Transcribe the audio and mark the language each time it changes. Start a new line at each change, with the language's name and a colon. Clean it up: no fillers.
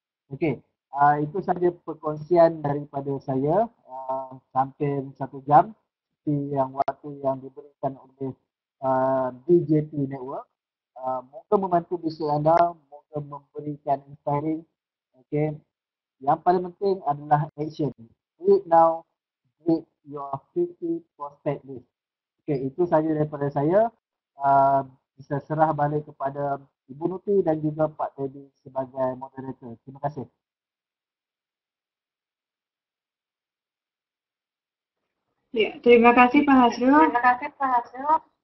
Malay: Okey, itu sahaja perkongsian daripada saya, sampai 1 jam di yang waktu yang diberikan oleh DJT Network. Moga membantu bisnes anda, moga memberikan inspiring. Okey, yang paling penting adalah action.
English: Read now, read your 50 prospect list.
Malay: Okay, itu sahaja daripada saya. Bisa serah balik kepada Ibu Nuti dan juga Pak Teddy sebagai moderator. Terima kasih. Ya, terima kasih Pak Hasrul. Terima kasih Pak Hasrul.